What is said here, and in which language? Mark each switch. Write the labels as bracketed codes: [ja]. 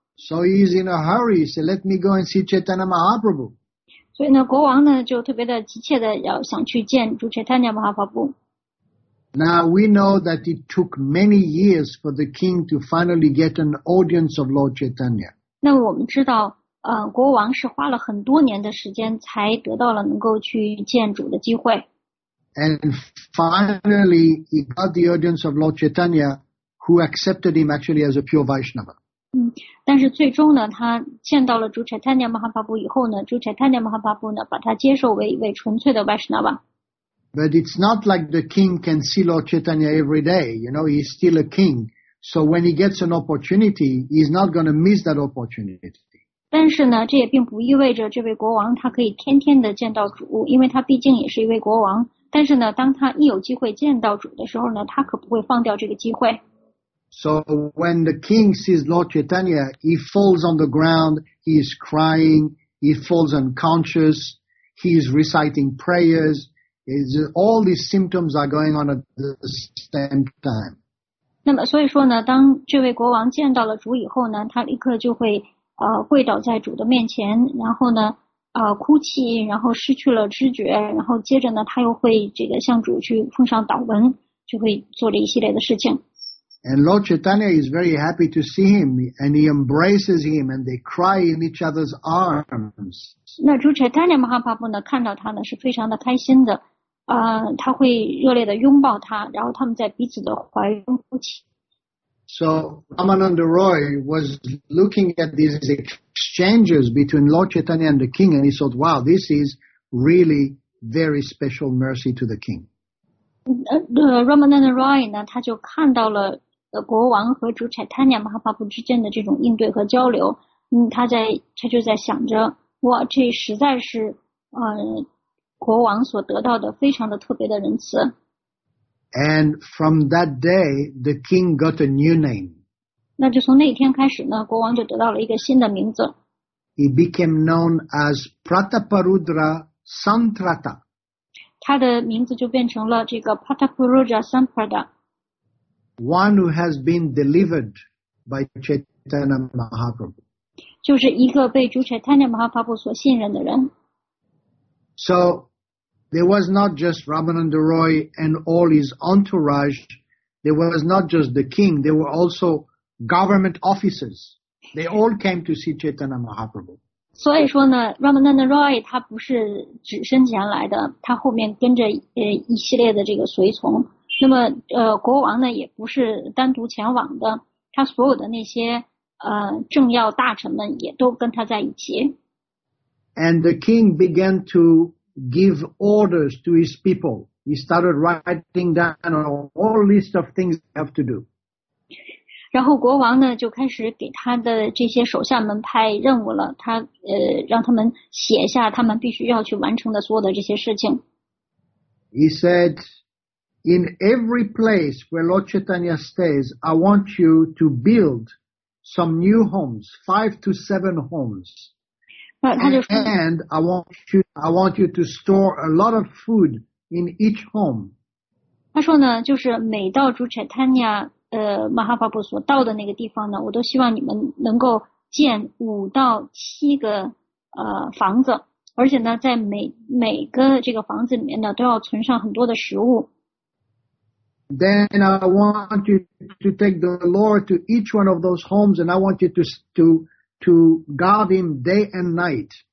[en] So he's in a hurry. He said, "Let me go and see Chaitanya Mahaprabhu." [zh] 所以呢，国王呢就特别的急切的要想去见主 Chaitanya Mahaprabhu。 [en] Now we know that it took many years for the king to finally get an audience of Lord Chaitanya. [zh] 那我们知道，国王是花了很多年的时间才得到了能够去见主的机会。 [en] And finally, he got the audience of Lord Chaitanya, who accepted him actually as a pure Vaishnava. [zh] 但是最终呢，他见到了主 Chaitanya Mahaprabhu 以后呢，主 Chaitanya Mahaprabhu 呢，把他接受为一位纯粹的 Vaishnava。 [en] But it's not like the king can see Lord Chaitanya every day, you know, he's still a king. So when he gets an opportunity, he's not going to miss that opportunity. [zh] 但是呢，这也并不意味着这位国王他可以天天的见到主，因为他毕竟也是一位国王。但是呢，当他一有机会见到主的时候呢，他可不会放掉这个机会。 [en] So when the king sees Lord Chaitanya, he falls on the ground, he is crying, he falls unconscious, he is reciting prayers,Is all these symptoms are going on at the same time. [zh] 那么所以说呢，当这位国王见到了主以后呢，他立刻就会跪倒在主的面前，然后呢哭泣，然后失去了知觉，然后接着呢他又会这个向主去奉上祷文，就会做这一系列的事情。 [en] And Lord Chaitanya is very happy to see him, and he embraces him, and they cry in each other's arms. [zh] 那主 Chaitanya Mahaprabhu 呢，看到他呢是非常的开心的，他会热烈的拥抱他，然后他们在彼此的怀中哭泣。 [en] So Ramananda Roy was looking at these exchanges between Lord Chaitanya and the king, and he thought, "Wow, this is really very special mercy to the king." [zh] Ramananda Roy 呢，他就看到了。国王和主 Chaitanya Mahaprabhu 之间的这种应对和交流，他就在想着，哇，这实在是，国王所得到的非常的特别的仁慈。 [en] And from that day, the king got a new name. [zh] 那就从那天开始呢，国王就得到了一个新的名字。 [en] He became known as Prataparudra Santrata. [zh] 他的名字就变成了这个 Prataparudra Santrata。 [en] One who has been delivered by Chaitanya Mahaprabhu. [zh] 就是一个被主 Chaitanya Mahaprabhu 所信任的人。 [en] So, there was not just Ramananda Roy and all his entourage, there was not just the king, there were also government officers. They all came to see Chaitanya Mahaprabhu. [zh] 所以说呢 ,Ramananda Roy 他不是只身前来的，他后面跟着一系列的这个随从。那么国王呢也不是单独前往的，他所有的那些政要大臣们也都跟他在一起。 [en] And the king began to give orders to his people. He started writing down a whole list of things they have to do. [zh] 然后国王呢就开始给他的这些手下们派任务了，他让他们写下他们必须要去完成的所有的这些事情。 [en] He said, in every place where Lord Chaitanya stays, I want you to build some new homes, 5 to 7 homes. And I want you to store a lot of food in each home. [zh] 他说呢，就是每到主 Chaitanya, 马哈巴布所到的那个地方呢，我都希望你们能够建5到7个房子。而且呢，在每个这个房子里面呢，都要存上很多的食物。 [en] Then I want you to take the Lord to each one of those homes, and I want you to guard him day and night.